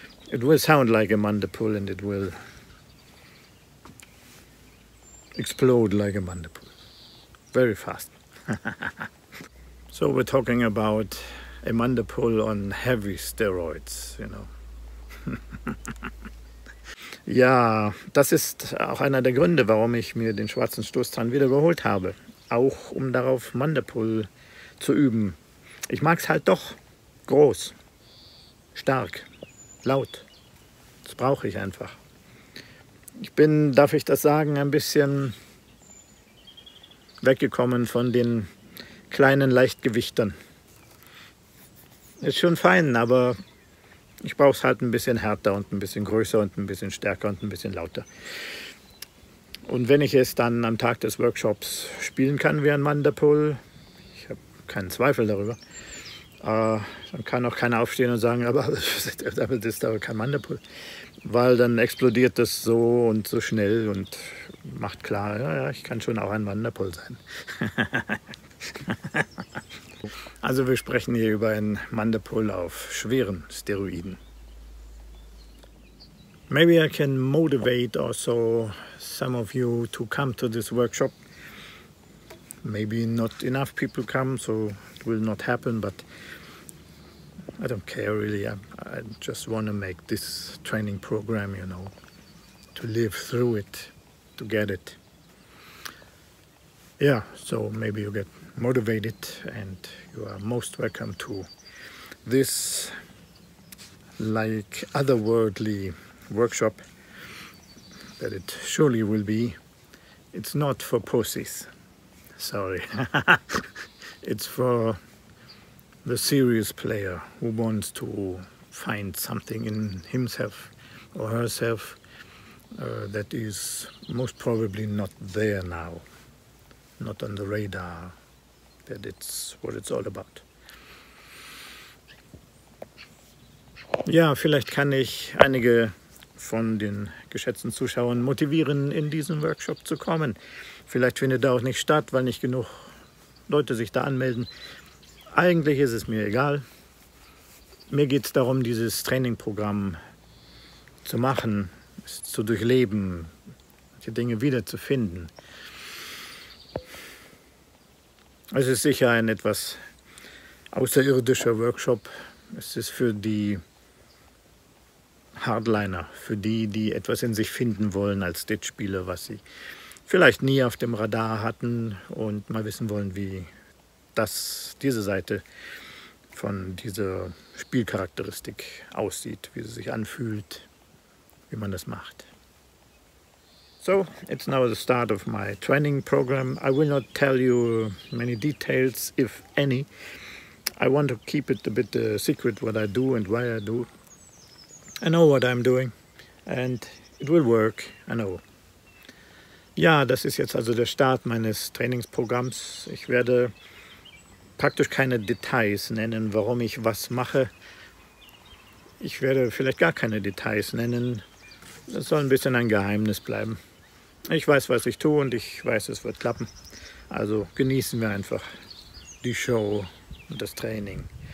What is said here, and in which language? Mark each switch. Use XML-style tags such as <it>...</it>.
<en>It will sound like a Manderpool and it will explode like a Manderpool. Very fast. So we're talking about a Manderpool on heavy steroids, you know.</en> <de>Ja, das ist auch einer der Gründe, warum ich mir den schwarzen Stoßzahn wieder geholt habe. Auch um darauf Manderpool zu üben. Ich mag es halt doch groß, stark, laut. Das brauche ich einfach. Ich bin, darf ich das sagen, ein bisschen weggekommen von den kleinen Leichtgewichtern. Ist schon fein, aber ich brauche es halt ein bisschen härter und ein bisschen größer und ein bisschen stärker und ein bisschen lauter. Und wenn ich es dann am Tag des Workshops spielen kann wie ein Manderpool, ich habe keinen Zweifel darüber, dann kann auch keiner aufstehen und sagen, aber das ist aber kein Manderpool, weil dann explodiert das so und so schnell und macht klar, ja, ich kann schon auch ein Manderpool sein. Also wir sprechen hier über einen Manderpool auf schweren Steroiden.</de> <en>Maybe I can motivate also some of you to come to this workshop. Maybe not enough people come, so it will not happen, but I don't care really. I just want to make this training program, you know, to live through it, to get it. Yeah, so maybe you get motivated and you are most welcome to this like otherworldly workshop that it surely will be. It's not for pussies, sorry. It's for the serious player who wants to find something in himself or herself that is most probably not there now, not on the radar, that it's what it's all about.</en> <de>Ja, vielleicht kann ich einige von den geschätzten Zuschauern motivieren, in diesen Workshop zu kommen. Vielleicht findet er auch nicht statt, weil nicht genug Leute sich da anmelden. Eigentlich ist es mir egal. Mir geht es darum, dieses Trainingprogramm zu machen, es zu durchleben, die Dinge wiederzufinden. Es ist sicher ein etwas außerirdischer Workshop. Es ist für die Hardliner, für die, die etwas in sich finden wollen als Ditch-Spieler, was sie vielleicht nie auf dem Radar hatten und mal wissen wollen, wie das, diese Seite von dieser Spielcharakteristik aussieht, wie sie sich anfühlt, wie man das macht.</de> <en>So, it's now the start of my training program. I will not tell you many details, if any. I want to keep it a bit secret what I do and why I do. I know what I'm doing and it will work, I know.</en> <de>Ja, das ist jetzt also der Start meines Trainingsprogramms. Ich werde praktisch keine Details nennen, warum ich was mache. Ich werde vielleicht gar keine Details nennen. Das soll ein bisschen ein Geheimnis bleiben. Ich weiß, was ich tue und ich weiß, es wird klappen. Also genießen wir einfach die Show und das Training.</de>